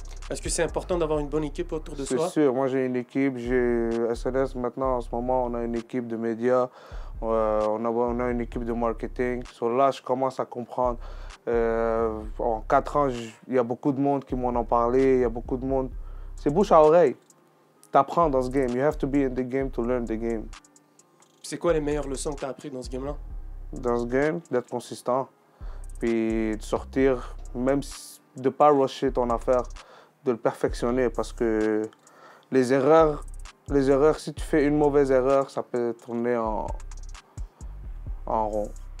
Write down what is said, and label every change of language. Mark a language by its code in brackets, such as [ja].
[fr] Est-ce que c'est important d'avoir une bonne équipe autour de soi? C'est sûr. Moi, j'ai une équipe. J'ai SNS maintenant, en ce moment, on a une équipe de médias. On a une équipe de marketing. So, là, je commence à comprendre. En 4 ans, il y a beaucoup de monde qui m'en ont parlé. Il y a beaucoup de monde. C'est bouche à oreille. T'apprends dans ce game. [en] You have to be in the game to learn the game. [fr] C'est quoi les meilleures leçons que t'as apprises dans ce game-là? Dans ce game, d'être consistant, puis de sortir, même de ne pas rusher ton affaire, de le perfectionner, parce que les erreurs, si tu fais une mauvaise erreur, ça peut tourner en rond.